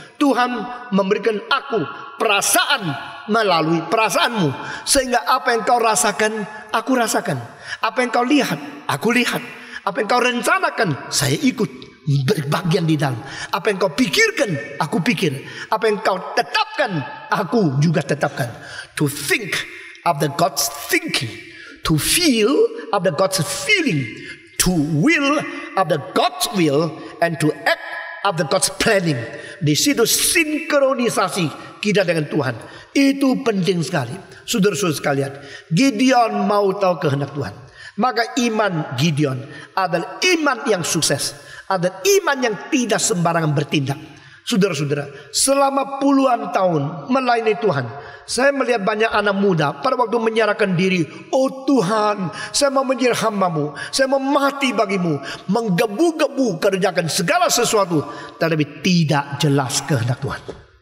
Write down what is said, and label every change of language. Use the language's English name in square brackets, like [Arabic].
[Indonesian] Tuhan memberikan aku perasaan melalui perasaan-Mu. Sehingga apa yang kau rasakan, aku rasakan. Apa yang kau lihat, aku lihat. Apa yang kau rencanakan, saya ikut berbagian di dalam. Apa yang kau pikirkan, aku pikir. Apa yang kau tetapkan, aku juga tetapkan. [English] To think of the God's thinking, to feel of the God's feeling, to will of the God's will, and to act of the God's planning. [Indonesian] Di situ sinkronisasi kita dengan Tuhan. Itu penting sekali. Saudara-saudara sekalian, Gideon mau tahu kehendak Tuhan. Maka iman Gideon adalah iman yang sukses. Ada iman yang tidak sembarangan bertindak. Saudara-saudara, selama puluhan tahun melayani Tuhan, saya melihat banyak anak muda pada waktu menyerahkan diri, oh Tuhan, saya mau menjadi hamba-Mu, saya mau mati bagi-Mu, menggebu-gebu kerjakan segala sesuatu, tetapi tidak jelas kehendak Tuhan.